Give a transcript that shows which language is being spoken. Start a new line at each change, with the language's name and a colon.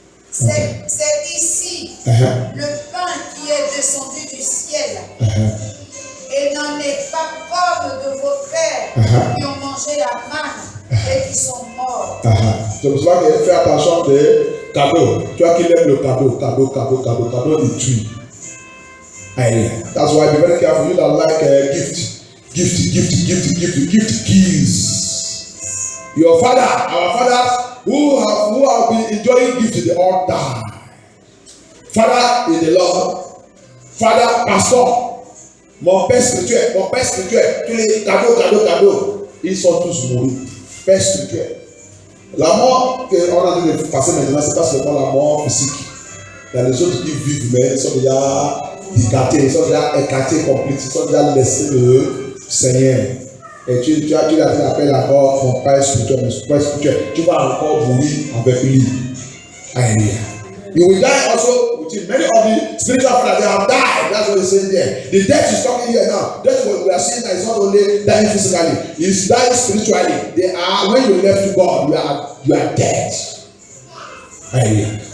French: C'est ici le pain qui est descendu du ciel et n'en est pas comme de vos pères qui ont mangé la manne et qui sont morts. C'est pour cela que fais attention des cadeaux. Toi qui aimes le cadeau, il tue.
English: That's why people can feel like a gift keys. Your father, our father, who have been enjoying gifts, they all die. Father in the Lord, father, pastor,
French: mon père spirituel, tous les cadeaux, ils sont tous mourus. Père spirituel. La mort qu'on a dû passer maintenant, c'est pas seulement la mort physique. Il y a les autres qui vivent, mais ils sont déjà écartés, ils sont déjà écartés complètes, ils sont déjà laissés le Seigneur. Et tu l'appelles encore mon père spirituel, mon père spirituel. Tu vas encore mourir avec lui. Alléluia.
English: You will die also with him. Many of the spiritual fathers, they have died. That's what he's saying there. The death is coming here now. That's what we are saying, that it's not only dying physically, it's dying spiritually. They are, when you left God, you are dead. Alléluia.